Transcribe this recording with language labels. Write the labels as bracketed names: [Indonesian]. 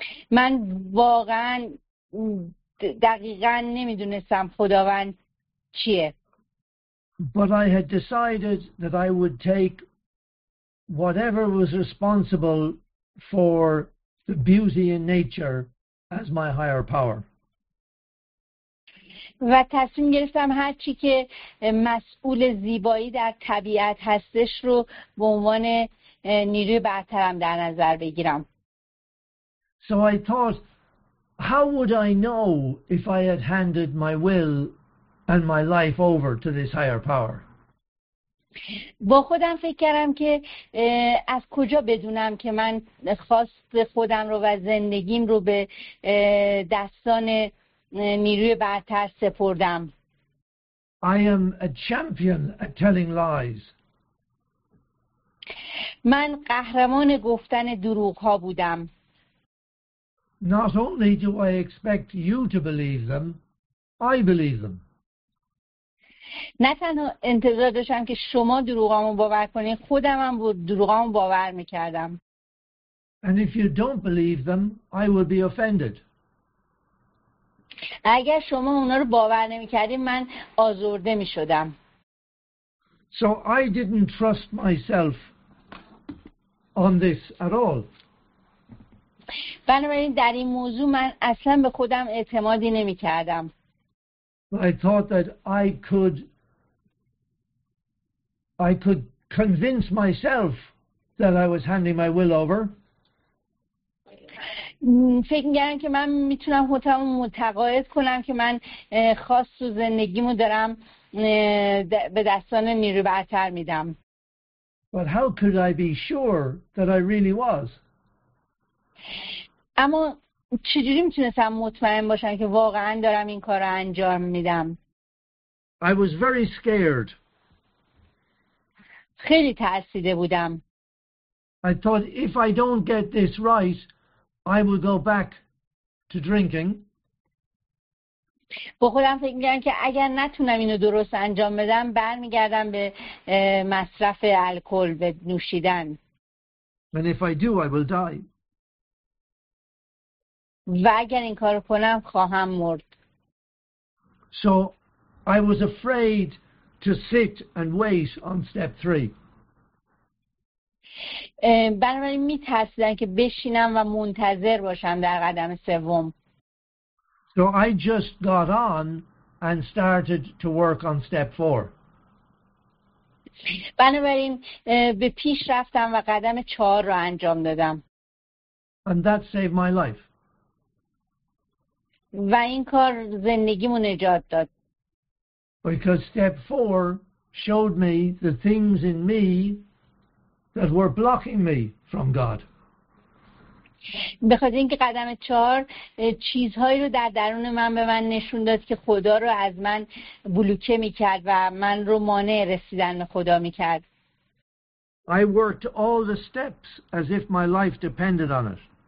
[Persian] من واقعا دقیقا نمیدونستم خداوند چیه. [English] But I had decided that I would take whatever was responsible for the beauty in nature as my higher power. [Persian] و تصمیم گرفتم هر چی که مسئول زیبایی در طبیعت هستش رو به عنوان نیروی برترم در نظر بگیرم. [English] So I thought, how would I know if I had handed my will and my life over to this higher power? [Persian] با خودم فکر کردم که از کجا بدونم که من خواست خودم رو و زندگیم رو به دستان نیروی برتر سپردم. [English] I am a champion at telling lies. [Persian] من قهرمان گفتن دروغ ها بودم. [English] Not only do I expect you to believe them, I believe them. [Persian] نه تنها انتظار داشتم که شما دروغامو باور کنین، خودم هم دروغامو باور میکردم. [English] And if you don't believe them, I will be offended. [Persian] اگر شما اونا رو باور نمیکردین، من آزرده میشدم. [English] So I didn't trust myself on this at all. [Persian] بنابراین در این موضوع من اصلا به خودم اعتمادی نمیکردم. [English] I thought that I could convince myself that I was handing my will over. [Persian] فکر می‌کردم که من میتونم خودم رو متقاعد کنم که من خواست و زندگیمو دارم به دستان نیروی برتر میدم. [English] But how could I be sure that I really was? [Persian] اما چجوری میتونستم مطمئن باشم که واقعا دارم این کار رو انجام میدم؟ [English] I was very scared. [Persian] خیلی ترسیده بودم. [English] I thought if I don't get this right, I will go back to drinking. [Persian] با خودم فکر میگم که اگر نتونم اینو درست انجام بدم برمیگردم به مصرف الکل به نوشیدن. [English] And if I do, I will die. [Persian] و اگر این کارو کنم خواهم مرد. [English] So I was afraid to sit and wait on step 3. [Persian] بنابراین میترسیدم که بشینم و منتظر باشم در قدم سوم. [English] So I just got on and started to work on step 4. [Persian] بنابراین به پیش رفتم و قدم 4 رو انجام دادم. [English] And that saved my life. [Persian] و این کار زندگیمو نجات داد. [English] Because step 4 showed me the things in me that were blocking me from God. [Persian] بخاطر اینکه قدم 4 چیزهایی رو در درون من به من نشون داد که خدا رو از من بلوکه میکرد و من رو مانع رسیدن به خدا میکرد. [English] I worked all the steps as if my life depended on it.